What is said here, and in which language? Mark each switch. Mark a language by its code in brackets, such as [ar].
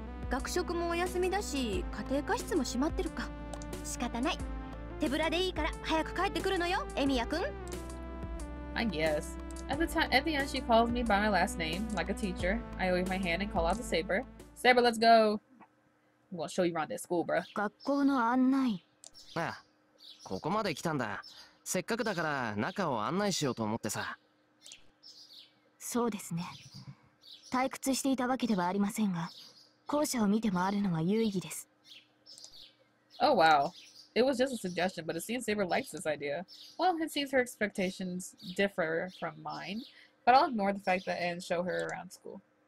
[ja] 学食もお休みだし、家庭科室も閉まってるか。仕方ない。手ぶらでいいから早く帰ってくるのよ、エミヤ君。 [en] I guess. At the end, she called me by my last name, like a teacher. I wave my hand and call out the saber. Saber, let's go! I'm gonna show you around this school, bruh. [ja] 学校の案内。まあ、ここまで来たんだ。せっかくだから中を案内しようと思ってさ。そうですね。退屈していたわけではありませんが、校舎を見て回るのは有意義です。 [en] Oh, wow. It was just a suggestion, but it seems Saber likes this idea. Well, it seems her expectations differ from mine, but I'll ignore the fact that Anne show her around school.